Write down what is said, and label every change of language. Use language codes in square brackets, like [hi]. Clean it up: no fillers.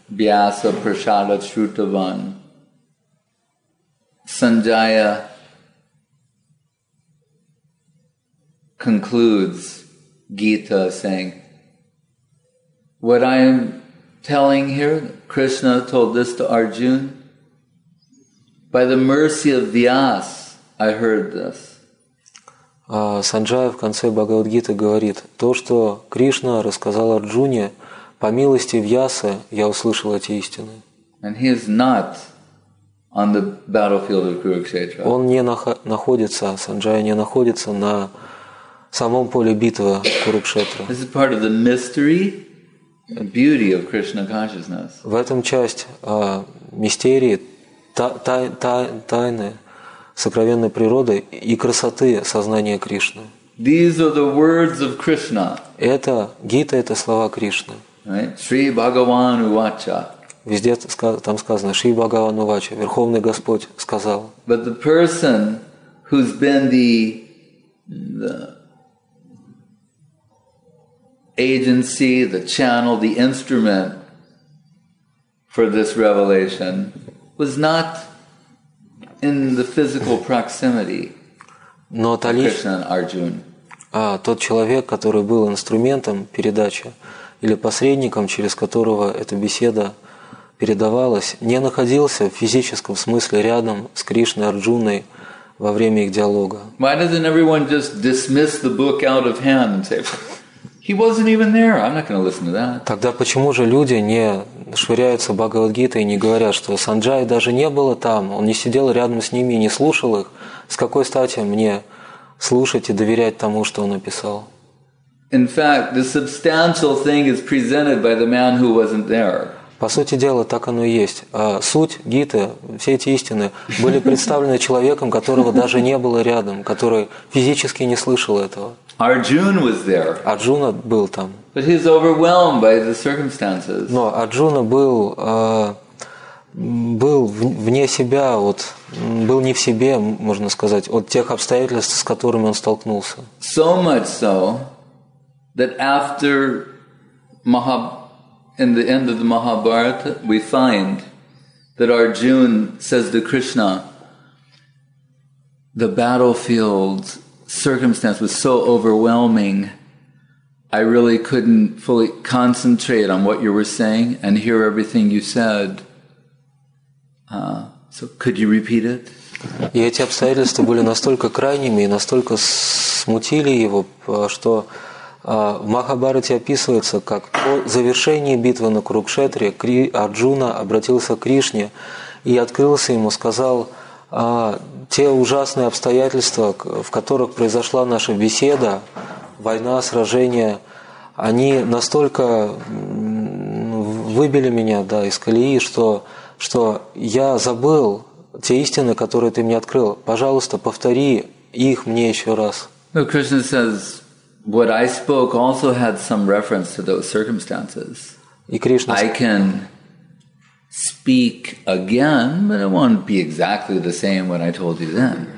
[sa] Бьяса Прашада Шрутаван, [en] Санджая concludes Gita saying, what I am telling here, Krishna told this to Arjuna, by the mercy of Vyas, I heard this. [ru] Санджая в конце Бхагавад-гиты говорит, то, что Кришна рассказал Арджуне, по милости Вьясы я услышал эти истины. [en] And he is not on the battlefield of Kurukshetra. [ru] Он не находится, Санджая не находится на самом поле битвы Курукшетра. [en] This is part of the mystery and beauty of Krishna consciousness. [ru] В этом часть мистерии, тайны, сокровенной природы и красоты сознания Кришны. [en] These are the words of Krishna. [ru] Это Гита, это слова Кришны. [en] Right? [sa] Шри Бхагаван Увача. [ru] Везде там сказано Шри Бхагаван Увача, Верховный Господь сказал. [en] But the person who's been the agency, the channel, the instrument for this revelation was not in the physical proximity to Krishna and Arjuna. [ru] Тот человек, который был инструментом передачи или посредником, через которого эта беседа передавалась, не находился в физическом смысле рядом с Кришной и Арджуной во время их диалога. [en] Why doesn't everyone just dismiss the book out of hand and say, He wasn't even there. I'm not going to listen to that. [ru] Тогда почему же люди не швыряются Бхагавад-гитой и не говорят, что Санджай даже не было там, он не сидел рядом с ними и не слушал их? С какой стати мне слушать и доверять тому, что он написал? [en] In fact, the substantial thing is presented by the man who wasn't there. [ru] По сути дела, так оно и есть. А суть Гиты, все эти истины, были представлены человеком, которого даже не было рядом, который физически не слышал этого. [en] Arjuna was there. [ru] Арджуна был там. [en] But he's overwhelmed by the circumstances. [ru] Но Арджуна был вне себя, вот, был не в себе, можно сказать, от тех обстоятельств, с которыми он столкнулся. [en] So much so, that after in the end of the Mahabharata, we find that Arjuna says to Krishna, the battlefield's circumstance was so overwhelming, I really couldn't fully concentrate on what you were saying and hear everything you said. So could you repeat it? [ru] И эти обстоятельства были настолько крайними и настолько смутили его, что в Махабхарате описывается, как по завершении битвы на Курукшетре Арджуна обратился к Кришне и открылся ему, сказал те ужасные обстоятельства, в которых произошла наша беседа, война, сражение, они настолько выбили меня, да, из колеи, что я забыл те истины, которые ты мне открыл. Пожалуйста, повтори их мне еще раз. Но [en] Кришна says, what I spoke also had some reference to those circumstances. I can speak again, but it won't be exactly the same what I told you then.